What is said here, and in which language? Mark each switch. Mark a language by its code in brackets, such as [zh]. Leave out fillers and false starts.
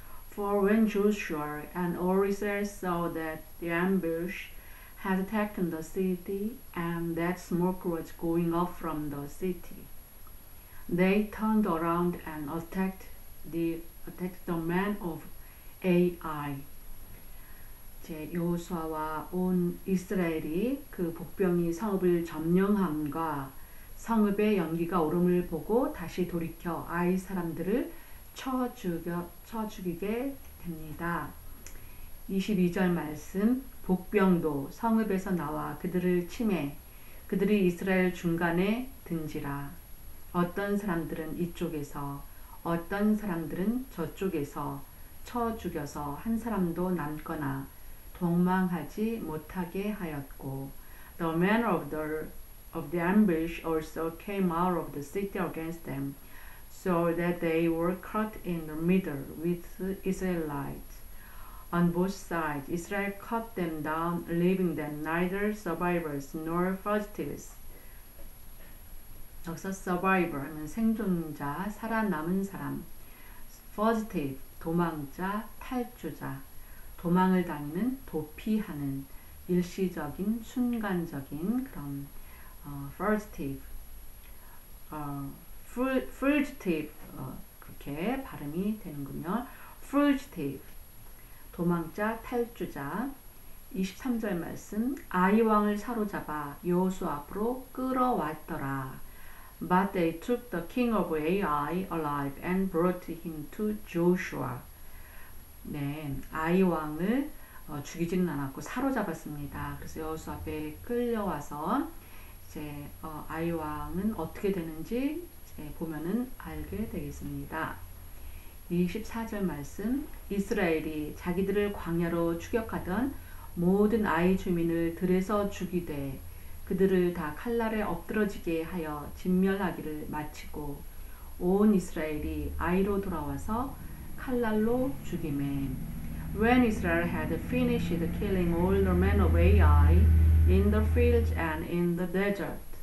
[en] For when Joshua and all Israel saw that the ambush had taken the city and that smoke was going up from the city, they turned around and attacked the men of Ai. [ko] 제 여호수아와 온 이스라엘이 그 복병이 성읍을 점령함과 성읍의 연기가 오름을 보고 다시 돌이켜 아이 사람들을 쳐 죽이게 됩니다. 22절 말씀, 복병도 성읍에서 나와 그들을 침해 그들이 이스라엘 중간에 든지라. 어떤 사람들은 이쪽에서 어떤 사람들은 저쪽에서 쳐 죽여서 한 사람도 남거나 도망하지 못하게 하였고 [en] The men of the ambush also came out of the city against them so that they were caught in the middle with Israelites. On both sides, Israel cut them down, leaving them neither survivors nor fugitives. [ko] 여기서 survivor는 생존자, 살아남은 사람. fugitive, 도망자, 탈주자. 도망을 다니는, 도피하는, 일시적인, 순간적인 그런 fugitive. Fugitive, 그렇게 발음이 되는군요. Fugitive, 도망자, 탈주자. 23절 말씀, 아이왕을 사로잡아 여호수 앞으로 끌어왔더라. [en] But they took the king of Ai alive and brought him to Joshua. [ko] 네, 아이왕을 죽이지는 않았고 사로잡았습니다. 그래서 여호수 앞에 끌려와서 이제 아이왕은 어떻게 되는지 보면은 알게 되겠습니다. 24절 말씀, 이스라엘이 자기들을 광야로 추격하던 모든 아이 주민을 들에서 죽이되 그들을 다 칼날에 엎드러지게 하여 진멸하기를 마치고 온 이스라엘이 아이로 돌아와서 칼날로 죽임에 [en] When Israel had finished killing all the men of Ai in the fields and in the desert